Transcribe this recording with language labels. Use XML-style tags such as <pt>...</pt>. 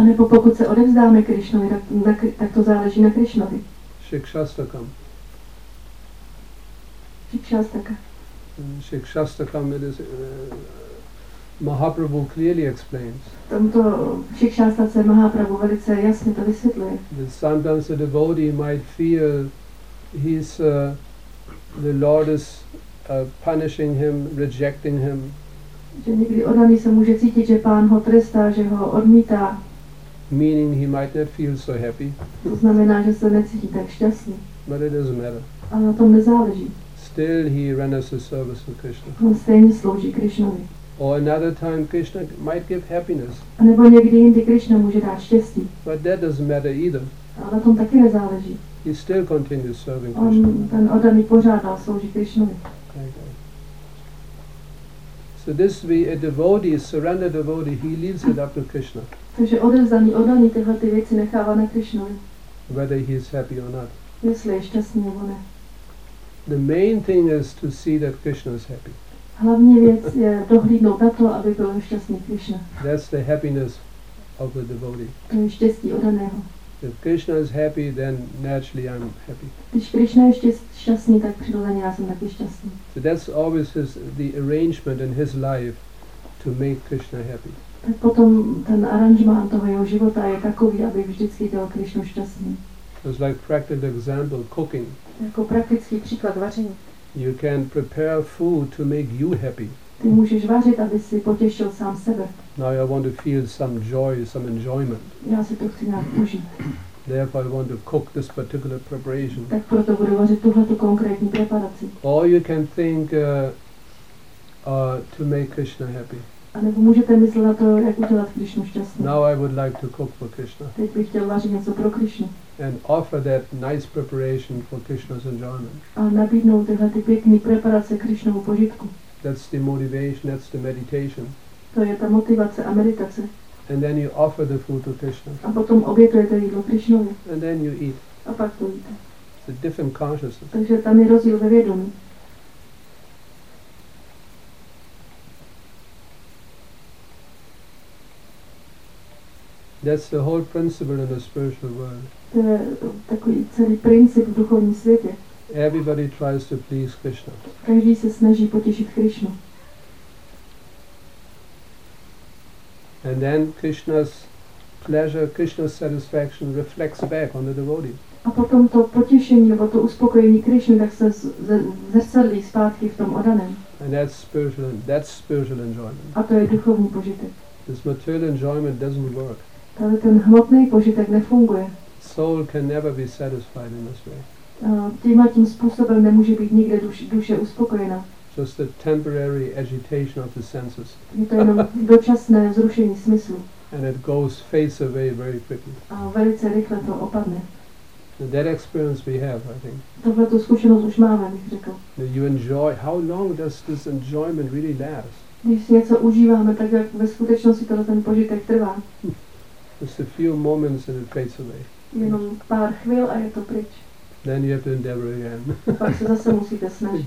<cs>A nebo pokud se odevzdáme Krišnovi, tak to záleží na Krišnovi.</cs> <en>Shikshastakam. Shikshastakam. Shikshastakam, Mahaprabhu clearly explains.</en> <cs>Tamto Shikshastace Mahaprabhu velice jasně to vysvětluje.</cs> <en>That sometimes a devotee might feel he's the Lord is punishing him, rejecting him.</en> <cs>Že někdy oddaný se může cítit, že pán ho trestá, že ho odmítá.</cs> <en>Meaning he might not feel so happy.</en> <cs>To znamená, že se necítí tak šťastný.</cs> <en>But it doesn't matter.</en> <cs>A na tom nezáleží.</cs> <en>Still he renders his service to Krishna.</en> <cs>On stejně slouží Krishnovi.</cs> <en>Or another time Krishna might give happiness.</en> <cs>A nebo někdy jindy Krishna může dát štěstí.</cs> <en>But that doesn't matter either.</en> <cs>A na tom taky nezáleží.</cs> <en>He still continues serving</en> <cs>on,</cs> <en>Krishna.</en> <cs>On ten oddaný pořád dál slouží Krishnovi.</cs> <en>So this we a devotee, a surrender devotee, he leaves it up to Krishna.</en> <cs>Takže odevzdaný, oddaný tyhle ty věci nechává na Krishnovi.</cs> <en>Whether he is happy or not.</en> <cs>Jestli je šťastný nebo ne.</cs> <en>The main thing is to see that Krishna is happy.</en> <cs>Hlavní věc je dohlídnout na to, aby byl šťastný Krishna.</cs> <en>That's the happiness of the devotee.</en> <cs>To je štěstí oddaného.</cs> <en>If Krishna is happy, then naturally I'm happy.</en> <cs>Když Krishna je šťastný, tak přirozeně já jsem taky šťastný.</cs> <en>So that's always his, the arrangement in his life to make Krishna happy.</en> <cs>Tak potom ten aranžmán toho jeho života je takový, aby vždycky byl Krishna šťastný.</cs> <en>It's like practical example, cooking.</en> <cs>Jako praktický příklad vaření.</cs> <en>You can prepare food to make you happy.</en> <cs>Ty můžeš vařit, aby si potěšil sám sebe.</cs> <en>Now I want to feel some joy, some enjoyment.</en> <cs>Já si to chci nějak užít.</cs> <en>Therefore I want to cook this particular preparation.</en> <cs>Tak proto budu vařit tuhleto konkrétní preparaci.</cs> <en>Or you can think to make Krishna happy.</en> <cs>A nebo můžete myslet na to, jak udělat Krishnu šťastný.</cs> <en>Now I would like to cook for Krishna.</en> <cs>Teď bych chtěl vařit něco pro Krishnu.</cs> <en>And offer that nice preparation for Krishna's enjoyment.</en> <cs>A nabídnout tyhle ty pěkný preparace Krishnovu požitku.</cs> <en>That's the motivation, that's the meditation.</en> <cs>To je ta motivace a meditace.</cs> <en>And then you offer the food to Krishna.</en> <cs>A potom obětujete jídlo Krishnovi.</cs> <en>And then you eat.</en> <cs>A pak to jíte.</cs> <en>It's a different consciousness.</en> <cs>Takže tam je rozdíl ve vědomí.</cs> <en>That's the whole principle in the spiritual world.</en> <cs>To je takový celý princip v duchovním světě.</cs> <en>Everybody tries to please Krishna.</en> <cs>Každý se snaží potěšit Krishnu.</cs> <en>And then Krishna's pleasure, Krishna's satisfaction reflects back on the devotee.</en> <cs>A potom to potěšení nebo to uspokojení Krishny tak se zrcadlí zpátky v tom odaném.</cs> <en>And that's spiritual enjoyment.</en> <cs>A to je duchovní požitek.</cs> <en>This material enjoyment doesn't work.</en> <cs>Ale ten hmotný požitek nefunguje.</cs> <en>Soul can never be satisfied in this way.</en> <cs>Tím způsobem nemůže být nikde duše uspokojena.</cs> <en>Just the temporary agitation of the senses.</en> <cs>Je to jenom dočasné vzrušení smyslu.</cs> <en>And it goes fades away very quickly.</en> <cs>A velice rychle to opadne.</cs> <en>And that experience we have, I think.</en> <cs>Tohleto zkušenost už máme, bych řekl.</cs> <en>You enjoy. How long does this enjoyment really last?</en> <cs>Když si něco užíváme, tak jak ve skutečnosti tohle ten požitek trvá.</cs> <en>Just a few moments and it fades away.</en> <cs>Jenom pár chvíl a je to pryč.</cs> <en>Then you have to endeavor again.</en> <cs>Pak se zase musíte snažit.</cs>